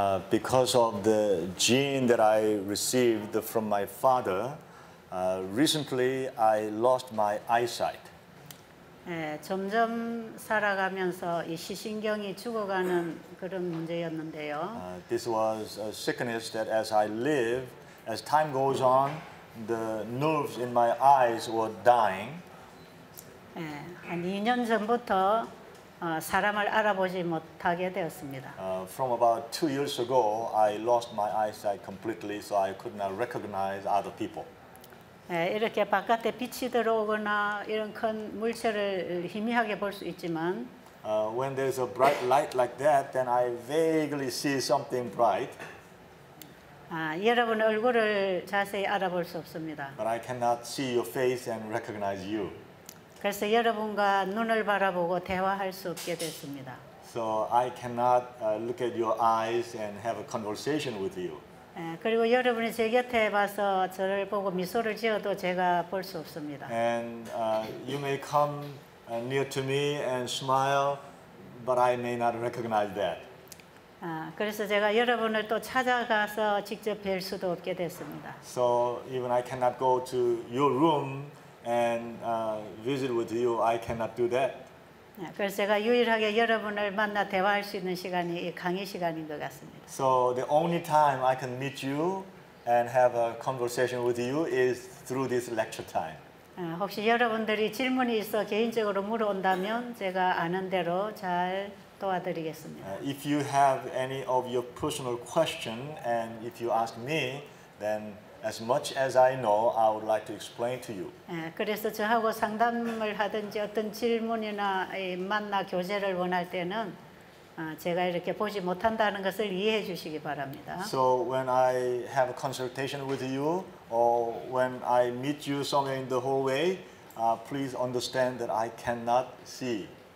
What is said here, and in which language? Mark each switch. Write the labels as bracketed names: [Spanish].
[English] Because of the gene that I received from my father, recently I lost my eyesight. [Korean] 예, 점점 살아가면서 이 시신경이 죽어가는 그런 문제였는데요. [English] This was a sickness that as I live, as time goes on, the nerves in my eyes were dying. [Korean] 예, 한 2년 전부터 사람을 알아보지 못하게 되었습니다. [English] From about 2 years ago, I lost my eyesight completely, so I could not recognize other people. [Korean] 이렇게 바깥에 빛이 들어오거나 이런 큰 물체를 희미하게 볼 수 있지만, [English] When there's a bright light like that, then I vaguely see something bright. [Korean] 여러분 얼굴을 자세히 알아볼 수 없습니다. [English] But I cannot see your face and recognize you. [Korean] 그래서 여러분과 눈을 바라보고 대화할 수 없게 됐습니다. [English] So I cannot look at your eyes and have a conversation with you. [Korean] 그리고 여러분이 제 곁에 와서 저를 보고 미소를 지어도 제가 볼 수 없습니다. [English] And you may come near to me and smile, but I may not recognize that. [Korean] 그래서 제가 여러분을 또 찾아가서 직접 뵐 수도 없게 됐습니다. [English] So even I cannot go to your room and visit with you, I cannot do that. [Korean] 그래서 제가 유일하게 여러분을 만나 대화할 수 있는 시간이 이 강의 시간인 것 같습니다. [English] So the only time I can meet you and have a conversation with you is through this lecture time. [Korean] 혹시 여러분들이 질문이 있어 개인적으로 물어온다면 제가 아는 대로 잘 도와드리겠습니다. [English] If you have any of your personal question and if you ask me, then as much as I know, I would like to explain to you. [Korean] 그래서 저하고 상담을 하든지 어떤 질문이나 만나 교제를 원할 때는 제가 이렇게 보지 못한다는 것을 이해해 주시기 바랍니다. [English] So when I have a consultation with you or when I meet you somewhere in the hallway, please understand that I cannot see.